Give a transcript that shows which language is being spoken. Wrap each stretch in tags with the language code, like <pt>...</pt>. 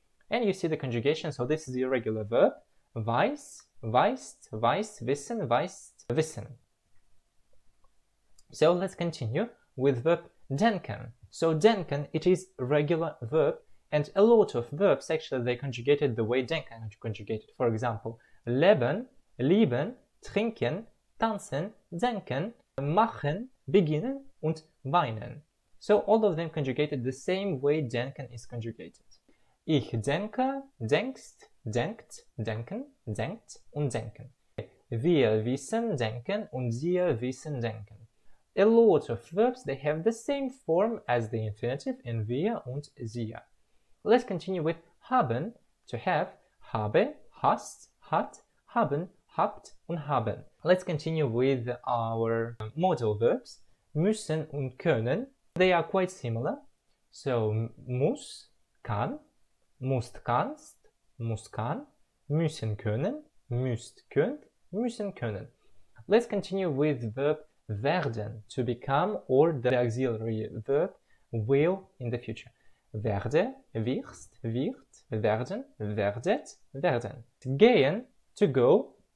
<en>And you see the conjugation, so this is the irregular verb.</en> <de>Weiß, weißt, weiß, wissen, weißt, wissen.</de> <en>So let's continue with verb denken. So denken, it is regular verb, and a lot of verbs actually they conjugated the way denken conjugated. For example,</en> <de>leben, lieben, trinken, tanzen, denken, machen, beginnen, und weinen.</de> <en>So all of them conjugated the same way denken is conjugated.</en> <de>Ich denke, denkst, denkt, denken, denkt, und denken. Wir wissen, denken, und sie wissen, denken.</de> <en>A lot of verbs, they have the same form as the infinitive in</en> <de>wir und sie.</de> <en>Let's continue with</en> <de>haben,</de> <en>to have.</en> <de>Habe, hast, hat, haben, habt, und haben.</de> <en>Let's continue with our modal verbs.</en> <de>Müssen und können.</de> <en>They are quite similar.</en> <de>So, muss, kann, musst, kannst, muss, kann, müssen, können, müsst, könnt, müssen, können.</de> <en>Let's continue with verb werden, to become, or the auxiliary verb will in the future.</en> <de>Werde, wirst, wird, werden, werdet, werden. Gehen,</de> <en>to go,</en>